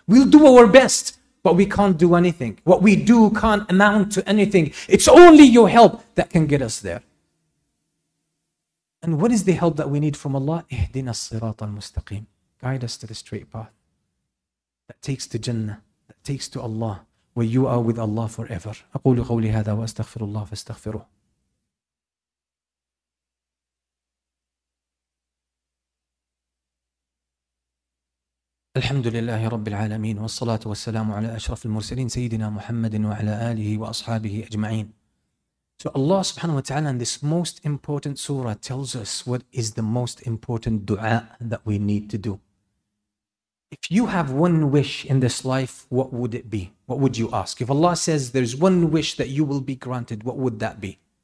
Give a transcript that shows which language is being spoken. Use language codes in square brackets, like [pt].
[en] We'll do our best, but we can't do anything. What we do can't amount to anything. It's only your help that can get us there. And what is the help that we need from Allah? [ar] اِهْدِنَا الصِّرَاطَ الْمُسْتَقِيمِ. Guide us to the straight path that takes to Jannah, that takes to Allah, where you are with Allah forever. أقول قولي هذا وأستغفر الله فاستغفره. الحمد لله رب العالمين والصلاة والسلام على أشرف المرسلين سيدنا محمد وعلى آله وأصحابه أجمعين. [en] So Allah subhanahu wa ta'ala in this most important surah tells us what is the most important dua that we need to do. If you have one wish in this life, what would it be? What would you ask? If Allah says there's one wish that you will be granted, what would that be?